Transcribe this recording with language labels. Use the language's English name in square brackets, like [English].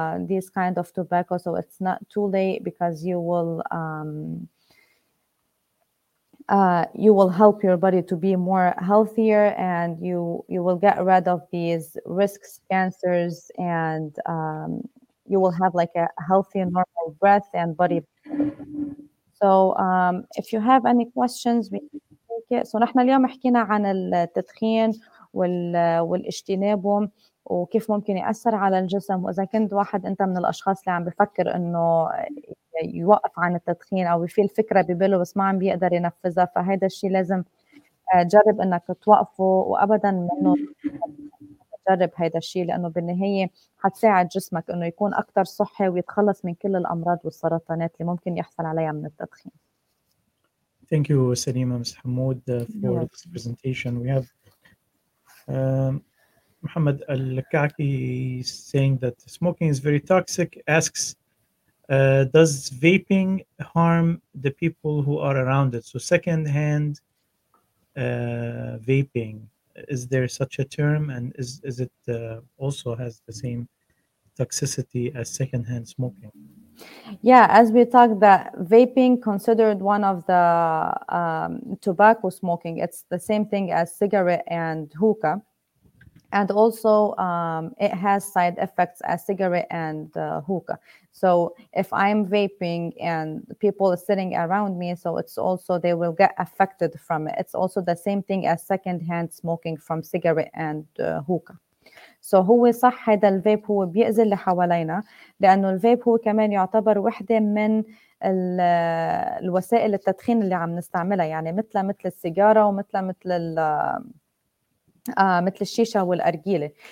[English] this kind of tobacco, so it's not too late, because you will help your body to be more healthier, and you will get rid of these risks, cancers, and you will have like a healthy and normal breath and body. So if you have any questions, we can take it. [Arabic] So نحن اليوم حكينا عن التدخين والاجتناب وكيف ممكن يأثر على الجسم, وإذا كنت واحد أنت من الأشخاص اللي عم بفكر أنه يوقف عن التدخين أو في الفكرة ببله بس ما عم بيقدر ينفذها, فهيدا الشيء لازم تجرب أنك توقفه, وأبداً منه تجرب هيدا الشيء, لأنه بالنهاية حتساعد جسمك أنه يكون أكتر صحي ويتخلص من كل الأمراض والسرطانات اللي ممكن يحصل عليها من التدخين. [English] Thank you, Salima, Ms. Hamoud, for this presentation. We have Muhammad Al-Kaki saying that smoking is very toxic, asks, does vaping harm the people who are around it? So secondhand vaping, is there such a term? And is it also has the same toxicity as secondhand smoking? Yeah, as we talked, that vaping considered one of the tobacco smoking. It's the same thing as cigarette and hookah. And also, it has side effects as cigarette and hookah. So if I'm vaping and people are sitting around me, so it's also, they will get affected from it. It's also the same thing as secondhand smoking from cigarette and hookah. [Arabic] So هو صح هذا الفيب هو بيأذي اللي حوالينا, لأنه الفيب هو كمان يعتبر واحدة من الوسائل التدخين اللي عم نستعملها, يعني مثل السيجارة ومثل مثل الشيشة والأرجيلة.